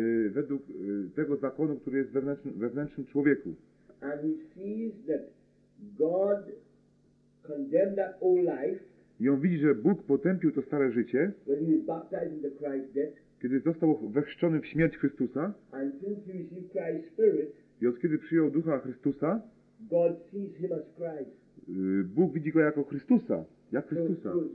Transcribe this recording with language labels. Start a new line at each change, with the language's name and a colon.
Polish: Według tego zakonu, który jest wewnętrznym człowieku.
English: And he sees that God condemned that old life.
Polish: I on widzi, że Bóg potępił to stare życie.
English: When he was baptized in the Christ's death.
Polish: Kiedy został wechrzczony w śmierć Chrystusa.
English: And since he received Christ's spirit.
Polish: I od kiedy przyjął Ducha Chrystusa,
English: God sees him as Christ.
Polish: Bóg widzi go jako Chrystusa, jak Chrystusa.